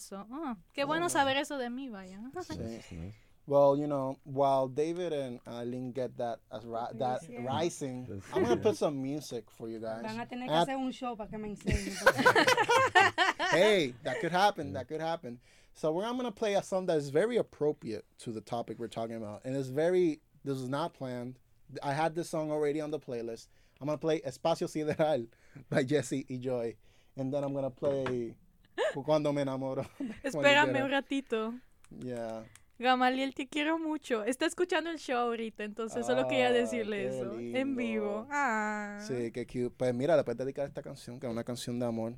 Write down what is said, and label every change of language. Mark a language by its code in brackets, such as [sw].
[es] So, oh, qué bueno saber eso de mí, vaya. Sí. [en] Well, you know, while David and Aileen get that that rising, I'm going to put some music for you guys. [es] Van a tener que hacer un show para que me enseñen. [en] Hey, that could happen. Yeah. That could happen. So I'm going to play a song that is very appropriate to the topic we're talking about. And it's very, this is not planned. I had this song already on the playlist. I'm going to play Espacio Sideral by Jesse y Joy. And then I'm going to play Cuando Me Enamoro. [es] Espérame un ratito. [en] Yeah. [es] Gamaliel, te quiero mucho. Está escuchando el show ahorita, entonces solo quería decirle eso. Lindo. En vivo. Ah. Sí, qué cute. Pues mira, le puedes dedicar esta canción, que es una canción de amor.